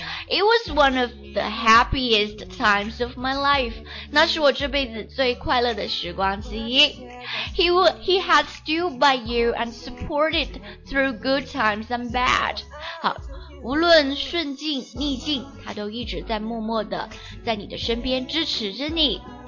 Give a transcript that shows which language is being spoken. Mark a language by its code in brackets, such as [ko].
[en] It was one of the happiest times of my life. [zh] 那是我这辈子最快乐的时光之一。 [en] He had stood by you and supported through good times and bad. [zh] 好，无论顺境逆境，他都一直在默默地在你的身边支持着你。